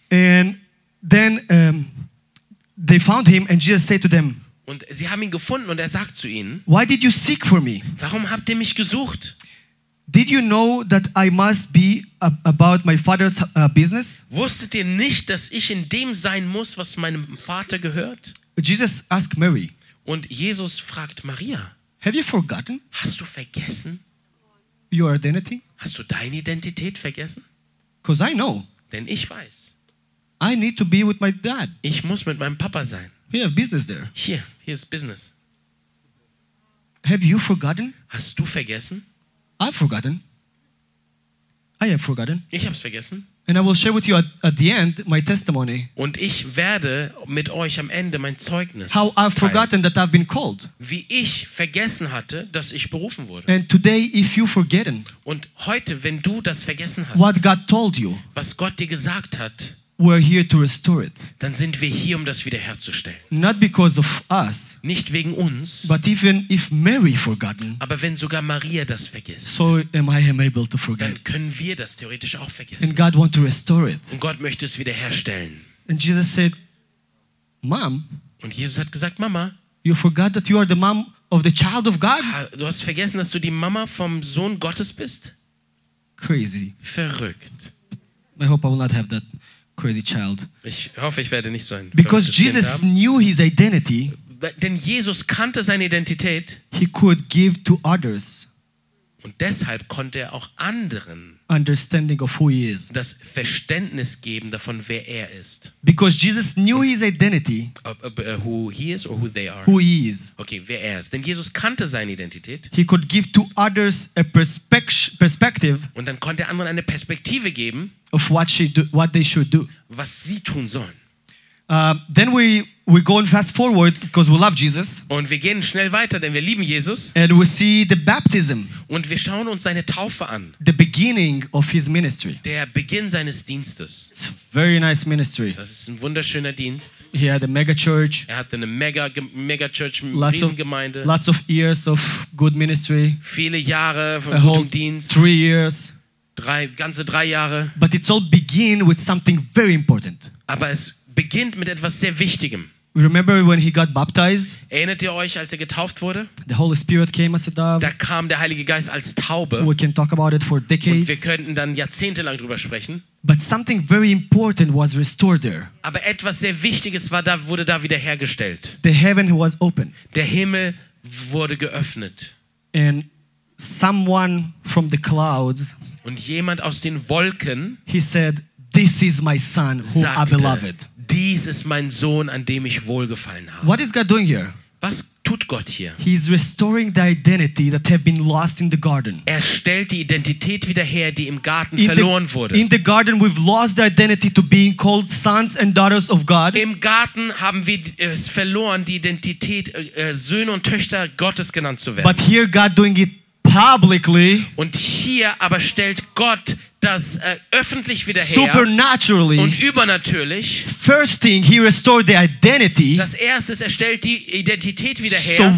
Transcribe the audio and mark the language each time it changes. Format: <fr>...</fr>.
<en>And then they found him and Jesus said to them.</en> <de>Und sie haben ihn gefunden und er sagt zu ihnen.</de> <en>Why did you seek for me?</en> <de>Warum habt ihr mich gesucht?</de> <en>Did you know that I must be about my father's business?</en> <de>Wusstet ihr nicht, dass ich in dem sein muss, was meinem Vater gehört?</de> <en>Jesus asked Mary.</en> <de>Und Jesus fragt Maria.</de> <en>Have you forgotten?</en> <de>Hast du vergessen?</de> <en>Your identity?</en> <de>Hast du deine Identität vergessen?</de> <en>Because I know.</en> <de>Denn ich weiß.</de> <en>I need to be with my dad.</en> <de>Ich muss mit meinem Papa sein.</de> <en>We have business there. Here is business. Have you forgotten?</en> <de>Hast du vergessen?</de> <en>I've forgotten. I have forgotten.</en> <de>Ich hab's vergessen.</de> <en>And I will share with you at the end my testimony.</en> <de>Und ich werde mit euch am Ende mein Zeugnis.</de> <en>How I've</en> <de>teilen.</de> <en>Forgotten that I've been called.</en> <de>Wie ich vergessen hatte, dass ich berufen wurde.</de> <en>And today, if you forgotten.</en> <de>Und heute, wenn du das vergessen hast.</de> <en>What God told you.</en> <de>Was Gott dir gesagt hat.</de> <en>we're here to restore it.</en> <de>Dann sind wir hier, um das wiederherzustellen.</de> <en>Not because of us.</en> <de>Nicht wegen uns.</de> <en>But even if Mary forgotten.</en> <de>Aber wenn sogar Maria das vergisst.</de> <en>So am I able to forget.</en> <de>Dann können wir das theoretisch auch vergessen.</de> <en>And God want to restore it.</en> <de>Und Gott möchte es wiederherstellen.</de> <en>And Jesus said, Mom.</en> <de>Und Jesus hat gesagt, Mama.</de> <en>You forgot that you are the mom of the child of God.</en> <de>Du hast vergessen, dass du die Mama vom Sohn Gottes bist.</de> <en>Crazy.</en> <de>Verrückt.</de> <en>I hope I will not have that crazy child.</en> <de>Ich hoffe, ich werde nicht so ein.</de> <en>Because Jesus knew his identity.</en> <de>Denn Jesus kannte seine Identität.</de> <en>He could give to others.</en> <de>Und deshalb konnte er auch anderen.</de> <en>Understanding of who he is.</en> <de>Das Verständnis geben davon, wer er ist.</de> <en>Because Jesus knew his identity. Who he is or who they are. Who he is.</en> <de>Okay, wer er ist. Denn Jesus kannte seine Identität.</de> <en>He could give to others a perspective.</en> <de>Und dann konnte er anderen eine Perspektive geben.</de> <en>Of what they should do.</en> <de>Was sie tun sollen.</de> <en>Then we go and fast forward because we love Jesus.</en> <de>Und wir gehen schnell weiter, denn wir lieben Jesus.</de> <en>And we see the baptism.</en> <de>Und wir schauen uns seine Taufe an.</de> <en>The beginning of his ministry.</en> <de>Der Beginn seines Dienstes.</de> <en>It's a very nice ministry.</en> <de>Das ist ein wunderschöner Dienst.</de> <en>He had a mega church.</en> <de>Er hatte eine mega Church, Riesengemeinde.</de> <en>Lots of years of good ministry.</en> <de>Viele Jahre von gutem Dienst.</de> <en>3 years.</en> <de>Ganze drei Jahre.</de> <en>But it all begin with something very important.</en> <de>Aber es beginnt mit etwas sehr Wichtigem.</de> <en>Remember when he got baptized?</en> <de>Erinnert ihr euch, als er getauft wurde?</de> <en>The Holy Spirit came as a dove.</en> <de>Da kam der Heilige Geist als Taube.</de> <en>We can talk about it for decades.</en> <de>Und wir könnten dann jahrzehntelang drüber sprechen.</de> <en>But something very important was restored there.</en> <de>Aber etwas sehr Wichtiges war da, wurde da wiederhergestellt.</de> <en>The heaven was open.</en> <de>Der Himmel wurde geöffnet.</de> <en>And someone from the clouds.</en> <de>Und jemand aus den Wolken.</de> <en>He said, "This is my son, whom I beloved."</en> <de>Dies ist mein Sohn, an dem ich wohlgefallen habe.</de> <en>What is God doing here?</en> <de>Was tut Gott hier?</de> <en>He is restoring the identity that had been lost in the garden.</en> <de>Er stellt die Identität wieder her, die im Garten verloren wurde.</de> <en>In the garden we've lost the identity to being called sons and daughters of God.</en> <de>Im Garten haben wir es verloren, die Identität Söhne und Töchter Gottes genannt zu werden.</de> <en>But here God doing it publicly.</en> <de>Und hier aber stellt Gott das öffentlich wieder her.</de> <en>Supernaturally,</en> <de>und übernatürlich.</de> <en>First thing, he restored the identity.</en> <de>Das erste ist, er stellt die Identität wieder her.</de>